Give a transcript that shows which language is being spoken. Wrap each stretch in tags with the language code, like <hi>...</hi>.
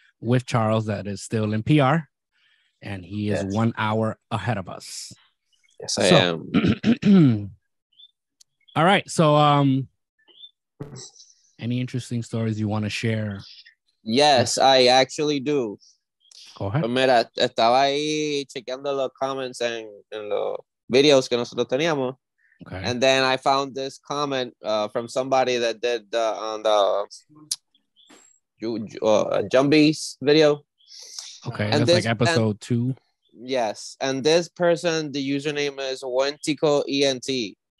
<en>With Charles, that is still in PR, and he is 1 hour ahead of us. Yes, I am. All right. So, any interesting stories you want to share? Yes, I actually do. Go ahead.</en> <es>Mira, estaba ahí chequeando los comments en los videos que nosotros teníamos.</es> <en>Okay. And then I found this comment from somebody that did on the Jumbies video. Okay, and that's this, like episode and, 2. Yes, and this person, the username is Wentico ENT.</en>